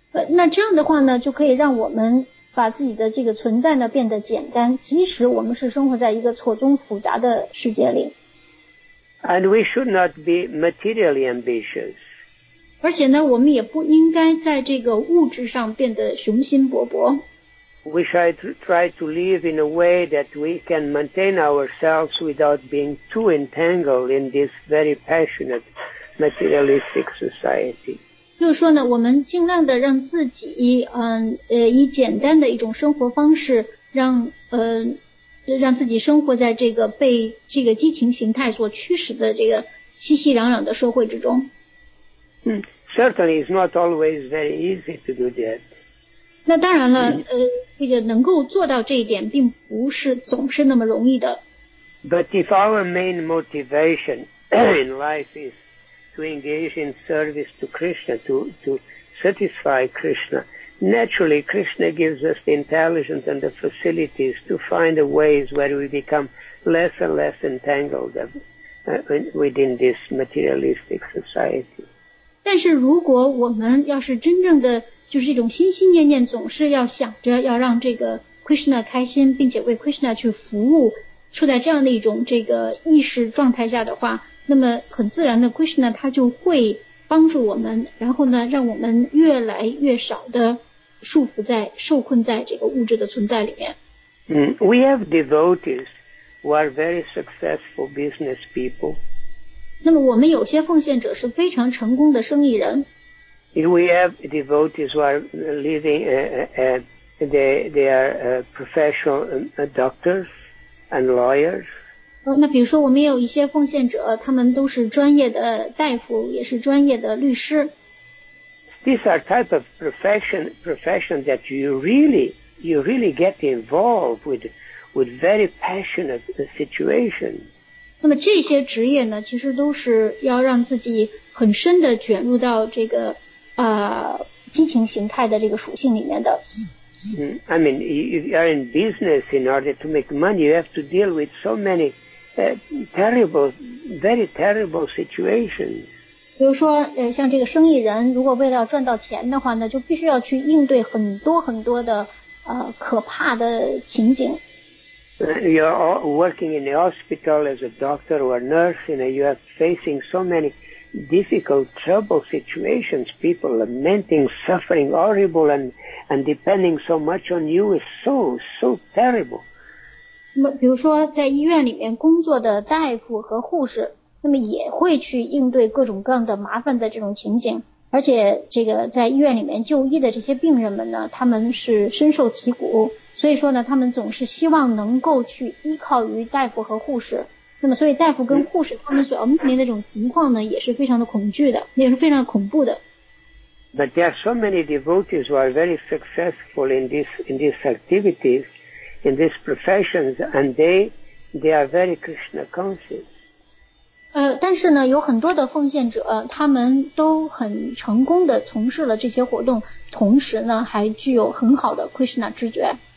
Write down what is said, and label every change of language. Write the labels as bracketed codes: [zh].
[zh] 那这样的话呢就可以让我们把自己的这个存在呢变得简单，即使我们是生活在一个错综复杂的世界里。 [en] And we should not be materially ambitious. [zh] 而且呢我们也不应该在这个物质上变得雄心勃勃。 [en] We should try to live in a way that we can maintain ourselves without being too entangled in this very passionate materialistic society. [zh] 就是说呢我们尽量的让自己以简单的一种生活方式让自己生活在这个被这个激情形态所驱使的这个熙熙攘攘的社会之中。 [en] Certainly, it's not always very easy to do that. [zh] 那当然了，这个能够做到这一点，并不是总是那么容易的。 [en] But if our main motivation in life is to engage in service to Krishna, to satisfy Krishna, naturally, Krishna gives us the intelligence and the facilities to find the ways where we become less and less entangled within this materialistic society. [zh] 但是如果我们要是真正的就是一种心心念念总是要想着要让这个 Krishna 开心并且为 Krishna 去服务处在这样的一种这个意识状态下的话那么很自然的 Krishna 他就会帮助我们然后呢让我们越来越少的束缚在受困在这个物质的存在里面。 [en] We have devotees who are very successful business people. [zh] 那么我们有些奉献者是非常成功的生意人。 [en] If we have devotees who are living, they are professional doctors and lawyers. [zh] 那比如说我们有一些奉献者，他们都是专业的大夫，也是专业的律师。 [en] These are type of profession that you really get involved with very passionate situation. [zh] 那么这些职业呢其实都是要让自己很深的卷入到这个激情形态的这个属性里面的。 [en] I mean, if you are in business in order to make money, you have to deal with so many very terrible situations. [zh] 比如说像这个生意人如果为了赚到钱的话呢就必须要去应对很多很多的可怕的情景。 [en] You're working in the hospital as a doctor or a nurse, you know, you are facing so many difficult, trouble situations, people lamenting, suffering, horrible, and depending so much on you is so terrible. [zh] 那么比如说在医院里面工作的大夫和护士，那么也会去应对各种各样的麻烦的这种情景，而且这个在医院里面就医的这些病人们呢，他们是深受其苦。所以说呢他们总是希望能够去依靠于大夫和护士那么所以大夫跟护士他们所要面临的这种情况呢也是非常的恐惧的也是非常恐怖的 [en] But there are so many devotees who are very successful in these activities in these professions and they are very Krishna conscious [zh] 但是呢有很多的奉献者他们都很成功的从事了这些活动同时呢还具有很好的 Krishna 知觉